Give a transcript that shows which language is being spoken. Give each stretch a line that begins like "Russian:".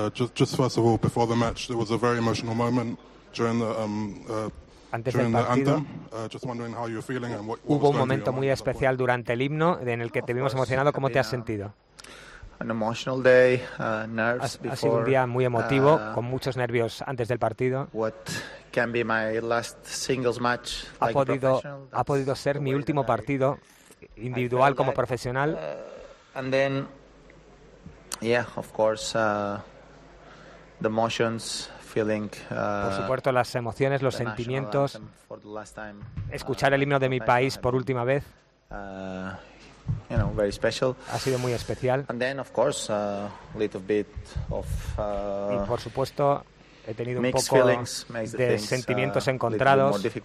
English: Just first of all, before the match, there was a very emotional moment.
Spanish: Hubo un momento muy especial durante el himno en el que te vimos emocionado. ¿Cómo te has sentido? Ha sido un día muy emotivo, con muchos nervios antes del partido. Ha podido ser mi último partido individual como profesional.
English: The emotions.
Spanish: Por supuesto, las emociones, los sentimientos, escuchar el himno de mi país por última vez,
English: very special.
Spanish: Ha sido muy especial.
English: And then, of course, a little bit of,
Spanish: y por supuesto, he tenido un poco de sentimientos encontrados.